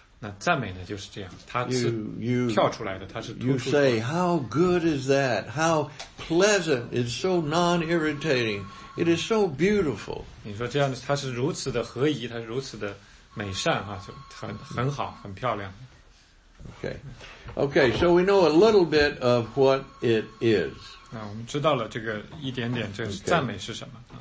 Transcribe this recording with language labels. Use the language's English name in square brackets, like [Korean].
[Chinese] 那赞美呢，就是这样，它是跳出来的，它是突出的。 [English] You say how good is that? How pleasant? It's so non-irritating. It is so beautiful. [Chinese] 你说这样，它是如此的合宜，它是如此的美善，很好，很漂亮。 [English] Okay, so we know a little bit of what it is. [Chinese] 那我们知道了这个一点点，这赞美是什么。